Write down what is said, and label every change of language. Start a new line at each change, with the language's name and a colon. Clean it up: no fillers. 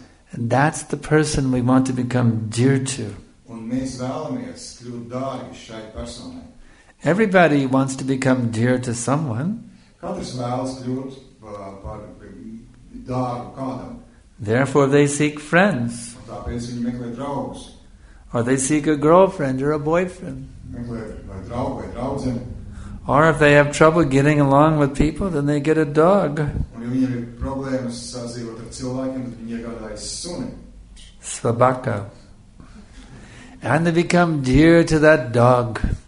English: And that's the person we want to become dear to.
Latvian: Un mēs vēlamies kļūt dārgi šai personai.
English: Everybody wants to become dear to someone.
Latvian: Katrs vēlas kļūt par dārgu kādam.
English: Therefore they seek friends.
Latvian: Un tāpēc viņi meklē draugus.
English: Or they seek a girlfriend or a boyfriend.
Latvian: Meklē vai draugu vai draudzeni.
English: Or if they have trouble getting along with people, then they get a dog.
Latvian: Un ja viņiem ir problēmas sadzīvot ar cilvēkiem, tad viņi iegādājas suni. Svabaka.
English: And they become dear to that dog.